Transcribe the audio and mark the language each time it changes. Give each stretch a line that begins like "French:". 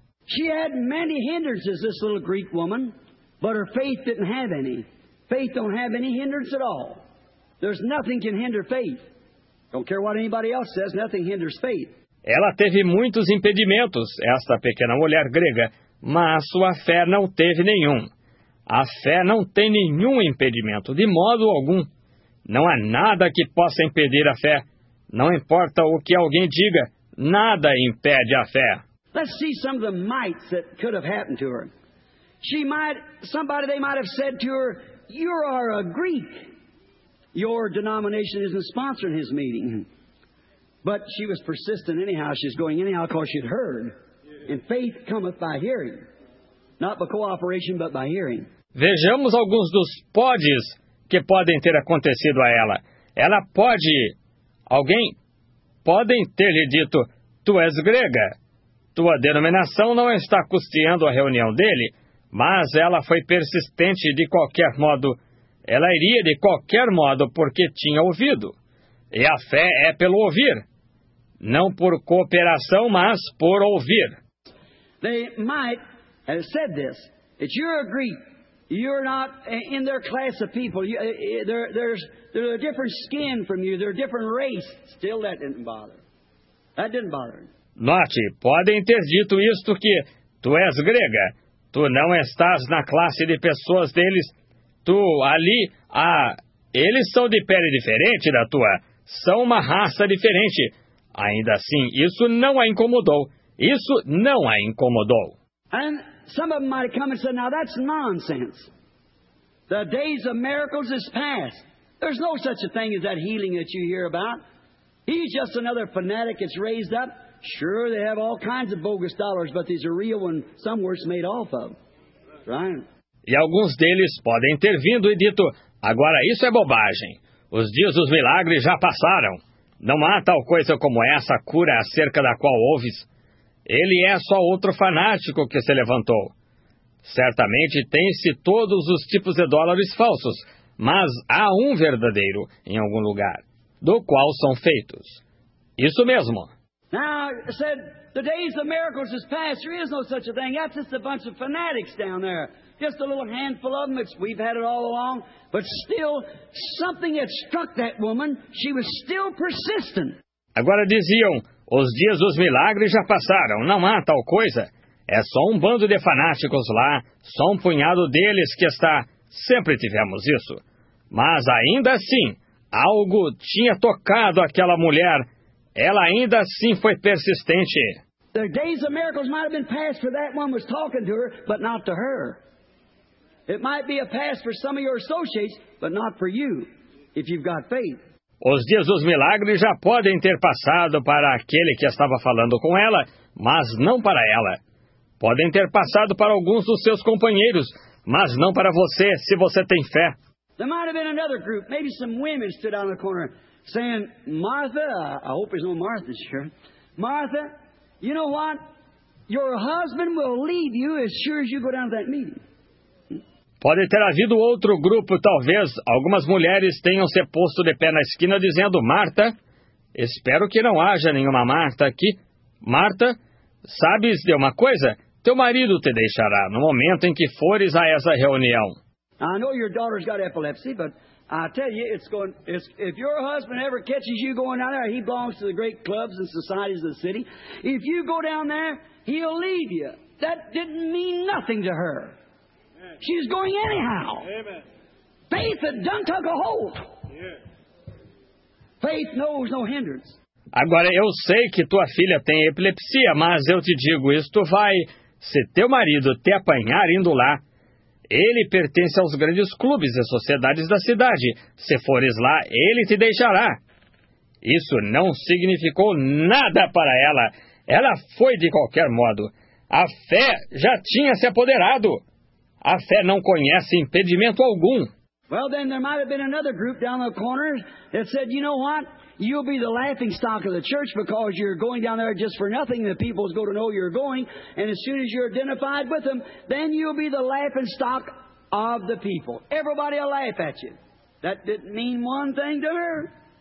English: She had many hindrances, this little Greek woman, but her faith didn't have any. Faith don't have any hindrance at all. There's nothing can hinder faith. Don't care what anybody else says, nothing hinders faith.
Portuguese: Ela teve muitos impedimentos, esta pequena mulher grega, mas sua fé não teve nenhum. A fé não tem nenhum impedimento, de modo algum. Não há nada que possa impedir a fé. Não importa o que alguém diga, nada impede a fé.
English: Let's see some of the mites that could have happened to her. Somebody might have said to her, you are a Greek. Your denomination isn't sponsoring his meeting. But she was persistent anyhow. She's going anyhow because she'd heard. And faith cometh by hearing. Not by cooperation, but by hearing.
Portuguese: Vejamos alguns dos podes que podem ter acontecido a ela. Ela pode... Alguém pode ter lhe dito, tu és grega. Tua denominação não está custeando a reunião dele. Mas ela foi persistente de qualquer modo. Ela iria de qualquer modo porque tinha ouvido. E a fé é pelo ouvir. Não por cooperação, mas por ouvir.
English: They might have said this. It's your Greek. You're not in their class of people. They're a different skin from you. They're a different race. Still, that didn't bother. That didn't bother.
Portuguese: Note, podem ter dito isto que tu és grega. Tu não estás na classe de pessoas deles. Tu ali, ah, eles são de pele diferente da tua. São uma raça diferente. Ainda assim, isso não a incomodou. Isso não a incomodou.
English: And some of them might have come and said, now that's nonsense. The days of miracles is past. There's no such a thing as that healing that you hear about. He's just another fanatic that's raised up. Sure, they have all kinds of bogus dollars, but these are real ones, some worse made off of. Right?
Portuguese: E alguns deles podem ter vindo e dito, agora isso é bobagem. Os dias dos milagres já passaram. Não há tal coisa como essa cura acerca da qual ouves. Ele é só outro fanático que se levantou. Certamente tem-se todos os tipos de dólares falsos, mas há um verdadeiro em algum lugar, do qual são feitos. Isso mesmo.
English: Now, I said, the days of miracles is past. There is no such a thing. That's just a bunch of fanatics down there. Just a little handful of them. We've had it all along. But still, something had struck that woman. She was still persistent.
Portuguese: Agora diziam, os dias dos milagres já passaram, não há tal coisa. É só um bando de fanáticos lá, só um punhado deles que está. Sempre tivemos isso. Mas ainda assim, algo tinha tocado aquela mulher. Ela ainda assim foi persistente.
English: The days of miracles might have been passed for that one was talking to her, but not to her. It might be a pass for some of your associates, but not for you, if you've got faith.
Portuguese: Os dias dos milagres já podem ter passado para aquele que estava falando com ela, mas não para ela. Podem ter passado para alguns dos seus companheiros, mas não para você, se você tem fé.
English: There might have been another group, maybe some women stood out in the corner, saying, Martha, I hope there's no Martha here. Martha, you know what? Your husband will leave you as sure as you go down to that meeting.
Portuguese: Pode ter havido outro grupo, talvez algumas mulheres tenham se posto de pé na esquina dizendo, Marta, espero que não haja nenhuma Marta aqui. Marta, sabes de uma coisa? Teu marido te deixará no momento em que fores a essa reunião.
English: I know your daughter's got epilepsy, but I tell you, if your husband ever catches you going down there, he belongs to the great clubs and societies of the city. If you go down there, he'll leave you. That didn't mean nothing to her. She's going anyhow. Amen. Faith that don't take a hold. Yeah. Faith knows no hindrance.
Portuguese: Agora, eu sei que tua filha tem epilepsia, mas eu te digo, isto vai... Se teu marido te apanhar indo lá, ele pertence aos grandes clubes e sociedades da cidade. Se fores lá, ele te deixará. Isso não significou nada para ela. Ela foi de qualquer modo. A fé já tinha se apoderado. A fé não conhece impedimento algum.
English: Well, then there might have been another group down the corner that said, you know what? You'll be the laughingstock of the church because you're going down there just for nothing. The people's going to know you're going. And as soon as you're identified with them, then you'll be the laughingstock of the people. Everybody will laugh at you. That didn't mean one thing to her.